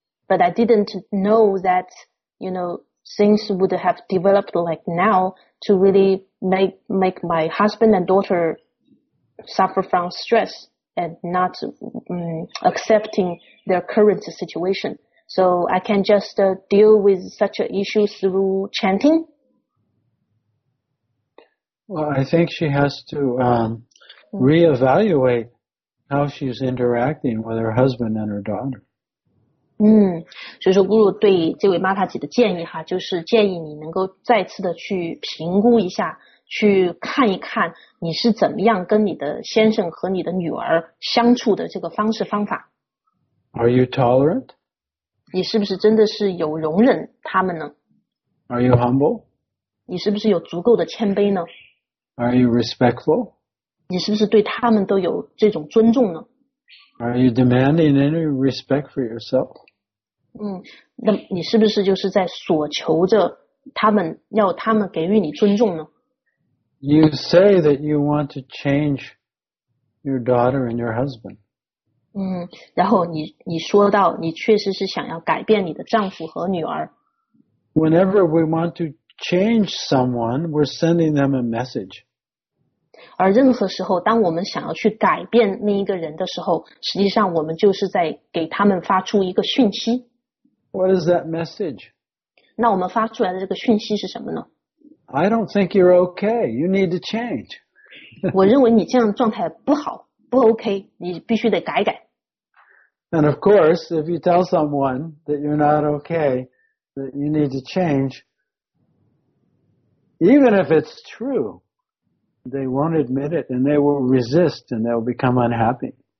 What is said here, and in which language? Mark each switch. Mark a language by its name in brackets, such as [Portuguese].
[English] But I didn't know that, you know, things would have developed like now to really make my husband and daughter suffer from stress and not accepting their current situation. So I can just deal with such an issue through chanting? Well, I think she has to reevaluate how she's interacting with her husband and her daughter. [Chinese] 所以说咕噜对这位玛塔姐的建议哈，就是建议你能够再次的去评估一下，去看一看你是怎么样跟你的先生和你的女儿相处的这个方式方法。 [English] Are you tolerant? [Chinese] 你是不是真的是有容忍他们呢？ [English] Are you humble? [Chinese] 你是不是有足够的谦卑呢？ [English] Are you respectful? [Chinese] 你是不是对他们都有这种尊重呢？ [English] Are you demanding any respect for yourself? [Chinese] 那你是不是就是在索求着他们，要他们给予你尊重呢？ [English] You say that you want to change your daughter and your husband. [Chinese] 然后你说到你确实是想要改变你的丈夫和女儿。 [English] Whenever we want to change someone, we're sending them a message. [Chinese] 而任何时候当我们想要去改变另一个人的时候，实际上我们就是在给他们发出一个讯息。 [English] What is that message? [Chinese] 那我们发出来的这个讯息是什么呢？ [English] I don't think you're okay. You need to change. [Chinese] 我认为你这样的状态不好，不 OK， 你必须得改改。 [English] And of course, if you tell someone that you're not okay, that you need to change, even if it's true,they won't admit it, and they will resist, and they will become unhappy.